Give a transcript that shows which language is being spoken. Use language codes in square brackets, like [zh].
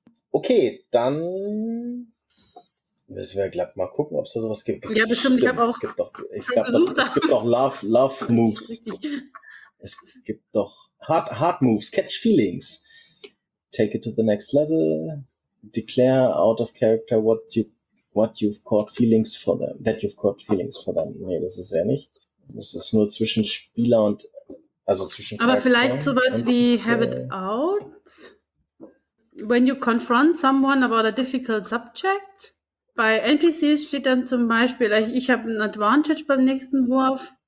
[de] Okay, dann müssen wir glatt mal gucken, ob es da sowas gibt. Ja, bestimmt. Ich habe auch. Es gibt doch Love Moves. Es gibt doch Hard Moves, Catch Feelings. [en] Take it to the next level. Declare out of character what you've caught feelings for them. That you've caught feelings for them. [de] Nee, das ist ja nicht. Das ist nur zwischen Spieler und. Also zwischen. Aber Charakter vielleicht sowas wie Have It Out? [en] When you confront someone about a difficult subject, [de] bei NPCs steht dann zum Beispiel, ich habe ein Advantage beim nächsten Wurf.